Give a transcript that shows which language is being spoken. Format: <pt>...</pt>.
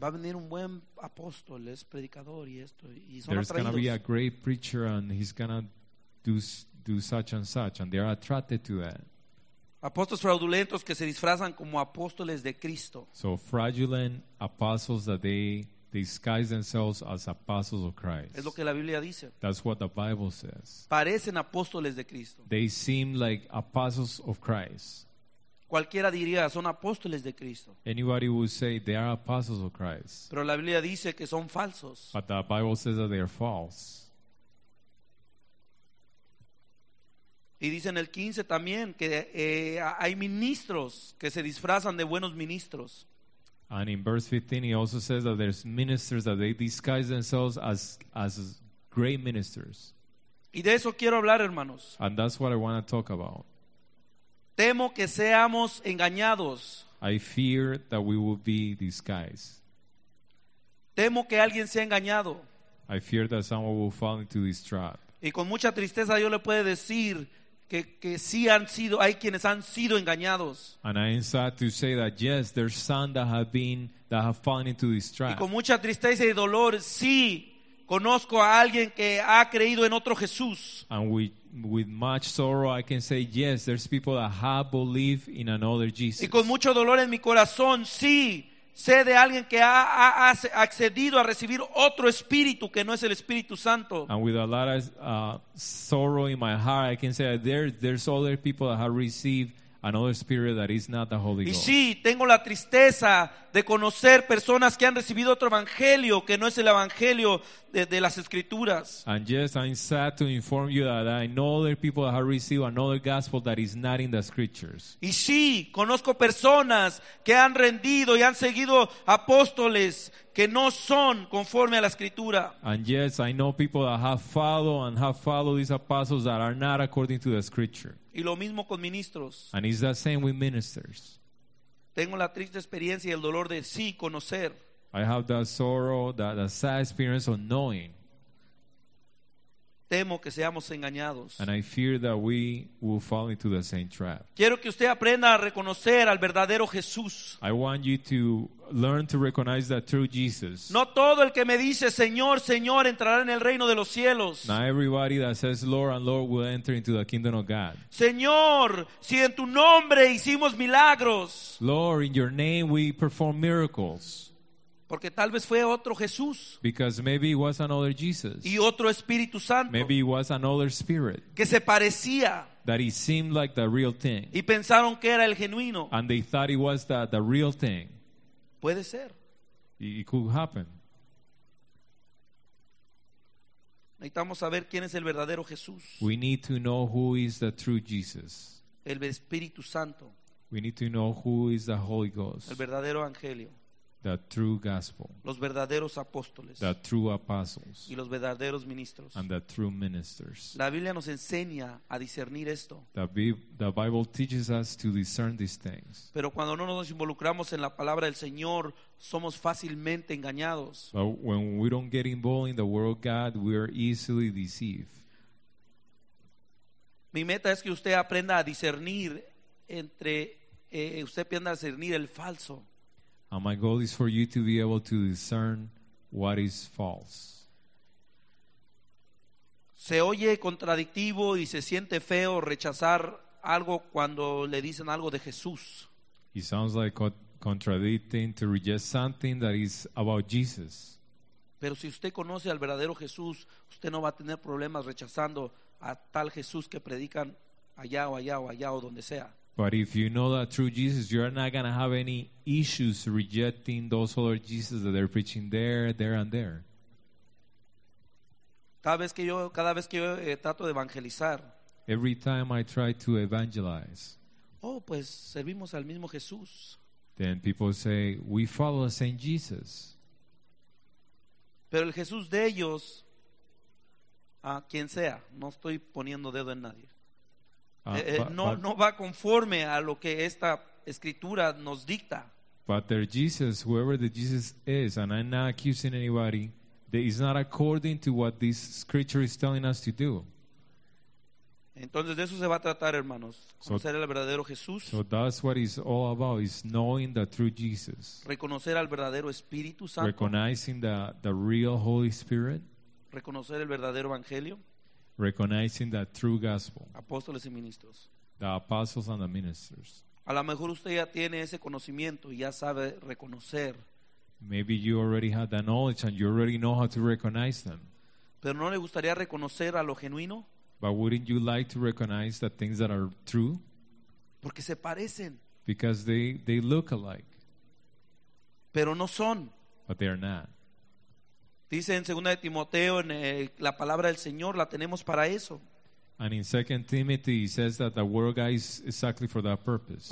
<es>Va a venir un buen apóstol, es predicador y esto, y son atraídos.</es> <en>There's going to be a great preacher and he's going to do such and such, and they're attracted to that.</en> <es>Apóstoles fraudulentos que se disfrazan como apóstoles de Cristo.</es> <en>So fraudulent apostles that they disguise themselves as apostles of Christ.</en> <es>Es lo que la Biblia dice.</es> <en>That's what the Bible says.</en> <es>Parecen apóstoles de Cristo.</es> <en>They seem like apostles of Christ.</en> <es>Cualquiera diría, son apóstoles de Cristo.</es> <en>Anybody would say they are apostles of Christ.</en> <es>Pero la Biblia dice que son falsos.</es> <en>But the Bible says that they are false.</en> <es>Y dice en el 15 también que hay ministros que se disfrazan de buenos ministros.</es> <en>And in verse 15 he also says that there's ministers that they disguise themselves as great ministers.</en> <es>Y de eso quiero hablar, hermanos.</es> <en>And that's what I want to talk about.</en> <es>Temo que seamos engañados.</es> <en>I fear that we will be disguised.</en> <es>Temo que alguien sea engañado.</es> <en>I fear that someone will fall into this trap.</en> <es>Y con mucha tristeza yo le puedo decir que sí han sido, hay quienes han sido engañados.</es> <en>And I am sad to say that yes, there's some that have fallen into this trap.</en> <es>Y con mucha tristeza y dolor, sí, conozco a alguien que ha creído en otro Jesús.</es> <en>And with much sorrow I can say yes, there's people that have believed in another Jesus.</en> <es>Y con mucho dolor en mi corazón, sí, sé de alguien que ha accedido a recibir otro espíritu que no es el Espíritu Santo.</es> <en>And with a lot of sorrow in my heart I can say that there's other people that have received another spirit that is not the Holy Ghost.</en> <es>Y sí, tengo la tristeza de conocer personas que han recibido otro evangelio que no es el evangelio de las Escrituras.</es> <en>And yes, I'm sad to inform you that I know other people that have received another gospel that is not in the Scriptures.</en> <es>Y sí, conozco personas que han rendido y han seguido apóstoles que no son conforme a la Escritura.</es> <en>And yes, I know people that have followed these apostles that are not according to the Scripture.</en> <es>Y lo mismo con ministros.</es> <en>And it's the same with ministers.</en> <es>Tengo la triste experiencia y el dolor de sí conocer.</es> <en>I have the sorrow, the sad experience of knowing.</en> <es>Temo que seamos engañados.</es> <en>And I fear that we will fall into the same trap.</en> <es>Quiero que usted aprenda a reconocer al verdadero Jesús.</es> <en>I want you to learn to recognize the true Jesus.</en> <es>No todo el que me dice Señor, Señor entrará en el reino de los cielos.</es> <en>Not everybody that says Lord and Lord will enter into the kingdom of God.</en> <es>Señor, si en tu nombre hicimos milagros.</es> <en>Lord, in your name we perform miracles.</en> <es>Porque tal vez fue otro Jesús.</es> <en>Because maybe it was another Jesus.</en> <es>Y otro Espíritu Santo.</es> <en>Maybe it was another spirit.</en> <es>Que se parecía.</es> <en>That it seemed like the real thing.</en> <es>Y pensaron que era el genuino.</es> <en>And they thought it was the real thing.</en> <es>Puede ser.</es> <en>It could happen.</en> <es>Necesitamos saber quién es el verdadero Jesús.</es> <en>We need to know who is the true Jesus.</en> <es>El Espíritu Santo.</es> <en>We need to know who is the Holy Ghost.</en> <es>El verdadero evangelio.</es> <en>The true gospel.</en> <es>Los verdaderos apóstoles.</es> <en>The true apostles.</en> <es>Y los verdaderos ministros.</es> <en>And the true ministers.</en> <es>La Biblia nos enseña a discernir esto.</es> <en>The Bible teaches us to discern these things.</en> <es>Pero cuando no nos involucramos en la palabra del Señor, somos fácilmente engañados.</es> <en>But when we don't get involved in the word of God, we are easily deceived.</en> <es>Mi meta es que usted aprenda a discernir entre usted aprenda a discernir el falso.</es> <en>And my goal is for you to be able to discern what is false.</en> <es>Se oye contradictivo y se siente feo rechazar algo cuando le dicen algo de Jesús.</es> <en>It sounds like contradicting to reject something that is about Jesus.</en> <es>Pero si usted conoce al verdadero Jesús, usted no va a tener problemas rechazando a tal Jesús que predican allá o allá o allá o donde sea.</es> <en>But if you know the true Jesus, you are not going to have any issues rejecting those other Jesus that they're preaching there, and there.</en> <es>Cada vez que yo trato de evangelizar.</es> <en>Every time I try to evangelize.</en> <es>Oh, pues servimos al mismo Jesús.</es> <en>Then people say, we follow the same Jesus.</en> <es>Pero el Jesús de ellos, a quien sea, no estoy poniendo dedo en nadie. No va conforme a lo que esta escritura nos dicta.</es> <en>But their Jesus, whoever the Jesus is, and I'm not accusing anybody, is not according to what this scripture is telling us to do.</en> <es>Entonces de eso se va a tratar, hermanos, conocer al verdadero Jesús.</es> <en>So that's what it's all about, is knowing the true Jesus.</en> <es>Reconocer al verdadero Espíritu Santo.</es> <en>Recognizing the real Holy Spirit.</en> <es>Reconocer el verdadero evangelio.</es> <en>Recognizing the true gospel.</en> <es>Apóstoles y ministros.</es> <en>The apostles and the ministers.</en> <es>A lo mejor usted ya tiene ese conocimiento y ya sabe reconocer.</es> <en>Maybe you already have that knowledge and you already know how to recognize them.</en> <es>Pero no le gustaría reconocer a lo genuino.</es> <en>But wouldn't you like to recognize the things that are true?</en> <es>Porque se parecen.</es> <en>Because they look alike.</en> <es>Pero no son.</es> <en>But they are not.</en> <es>Dice en 2 Timoteo, en la palabra del Señor la tenemos para eso.</es> <en>And in 2 Timothy he says that the word of God is exactly for that purpose.</en>